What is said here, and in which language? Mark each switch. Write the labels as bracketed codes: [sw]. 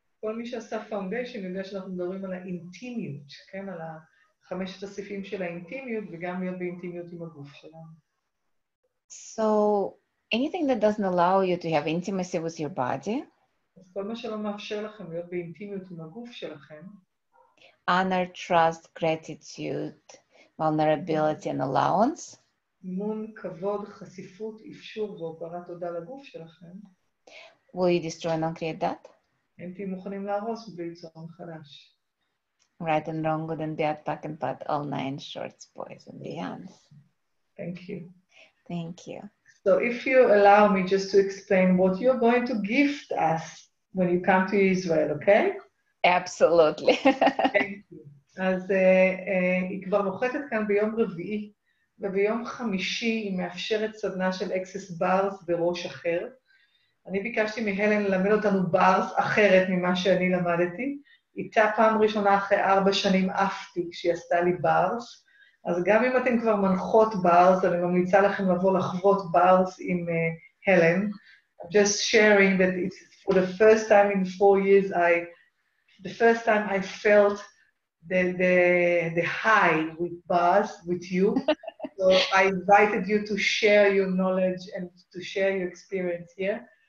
[he] כל מי שעשה פאונדיישן יודע שאנחנו מדברים על האינטימיות, כן? על החמשת הסיפים של האינטימיות, וגם להיות באינטימיות עם הגוף שלנו. [en] So, anything that doesn't allow you to have intimacy with your body, [he] אז כל מה שלא מאפשר לכם להיות באינטימיות עם הגוף שלכם, [en] honor, trust, gratitude, vulnerability and allowance, [he] מון, כבוד, חשיפות, אפשור והוקרת תודה לגוף שלכם, [en] will you destroy and uncreate that? [he] אתם מוכנים להרוס וליצור מחדש. [en] Right and wrong, good and bad, back and bad, all nine shorts, boys and beyonds. Thank you. So if you allow me just to explain what you're going to gift us when you come to Israel, okay? Absolutely. Thank you. [he] אז היא כבר נוחתת כאן ביום רביעי, וביום חמישי היא מאפשרת סדנה של אקסס ברס בראש אחר. אני ביקשתי מהלן ללמד אותנו ברס אחרת ממה שאני למדתי. איתה פעם ראשונה אחרי 4 שנים אפתי כשהיא עשתה לי ברס. אז גם אם אתם כבר מנחות ברס, אני ממליצה לכם לבוא לחוות ברס עם הלן. [en] I'm just sharing that it's for the first time in 4 years, the first time I felt the high with ברס, with you. So I invited you to share your knowledge and to share your experience here.